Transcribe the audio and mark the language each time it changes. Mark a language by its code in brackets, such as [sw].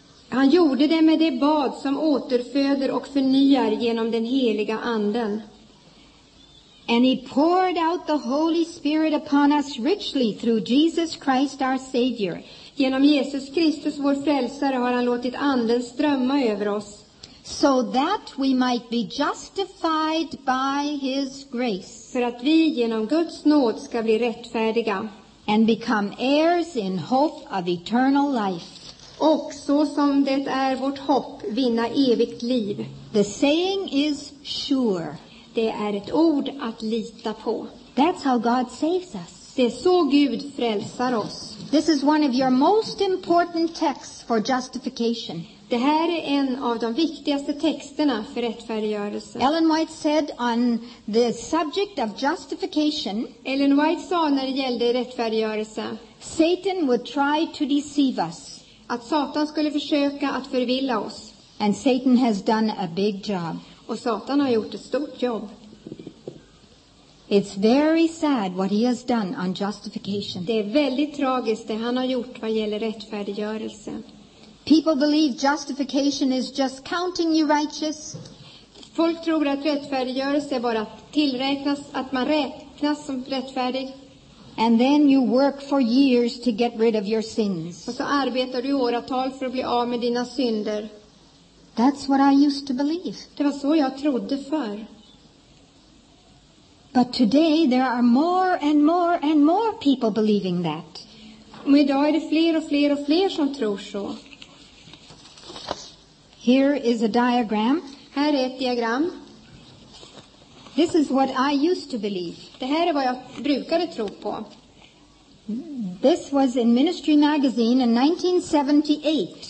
[sv] Han gjorde det med det bad som återföder och förnyar genom den heliga anden. [en] And he poured out the Holy Spirit upon us richly through Jesus Christ our Savior. [sv] Genom Jesus Kristus vår frälsare har han låtit anden strömma över oss. [en] So that we might be justified by his grace. [sv] För att vi genom Guds nåd ska bli rättfärdiga. [en] And become heirs in hope of eternal life. [sv] Och så som det är vårt hopp, vinna evigt liv. [en] The saying is sure. [sv] Det är ett ord att lita på. [en] That's how God saves us. [sv] Det är så Gud frälsar oss. [en] This is one of your most important texts for justification. [sv] Det här är en av de viktigaste texterna för rättfärdiggörelse. [en] Ellen White said on the subject of justification. [sv] Ellen White sa när det gällde rättfärdiggörelse. [en] Satan would try to deceive us. [sv] Att Satan skulle försöka att förvilla oss. [en] And Satan has done a big job. [sv] Och Satan har gjort ett stort jobb. [en] It's very sad what he has done on justification. [sv] Det är väldigt tragiskt det han har gjort vad gäller rättfärdiggörelse. [en] People believe justification is just counting you righteous. [sv] Folk tror att rättfärdiggörelse är bara att tillräknas, att man räknas som rättfärdig. [en] And then you work for years to get rid of your sins. [sv] Och så arbetar du åratal för att bli av med dina synder. [en] That's what I used to believe. [sv] Det var så jag trodde förr. [en] But today there are more and more and more people believing that. [sv] Men idag är det fler och fler och fler som tror så. [en] Here is a diagram. [sv] Här är ett diagram. [en] This is what I used to believe. [sv] Det här är vad jag brukade tro på. [en] This was in Ministry Magazine in 1978.